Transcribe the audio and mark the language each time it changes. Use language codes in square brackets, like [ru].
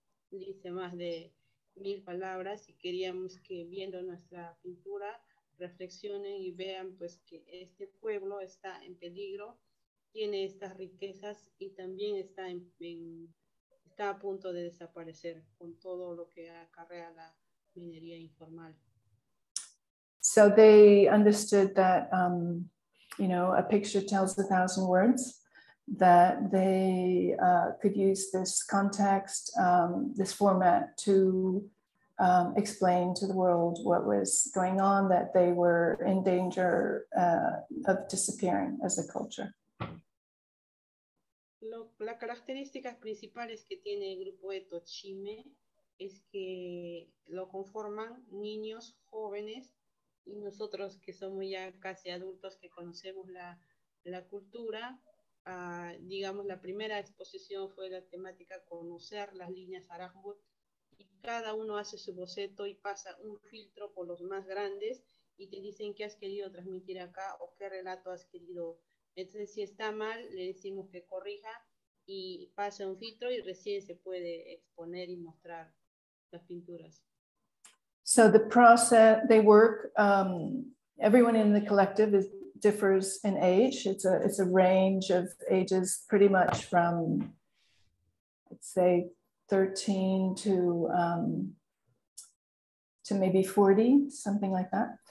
[es] dice más de 1,000 palabras y queríamos que viendo nuestra pintura reflexionen y vean pues que este pueblo está en peligro, tiene estas riquezas y también está está a punto de desaparecer con todo lo que acarrea la minería informal. [en] So they understood that, you know, a picture tells 1,000 words, that they could use this context, this format to explain to the world what was going on, that they were in danger of disappearing as a culture. [es] Las características principales que tiene el grupo de Tochime es que lo conforman niños, jóvenes y nosotros que somos ya casi adultos que conocemos la cultura. Digamos, la primera exposición fue la temática conocer las líneas Arajwood y cada uno hace su boceto y pasa un filtro por los más grandes y te dicen qué has querido transmitir acá o qué relato has querido. Entonces, si está mal, le decimos que corrija y pasa un filtro y recién se puede exponer y mostrar las pinturas. [en] So the process, they work, everyone in the collective differs in age. It's a range of ages pretty much from, let's say, 13 to maybe 40, something like that.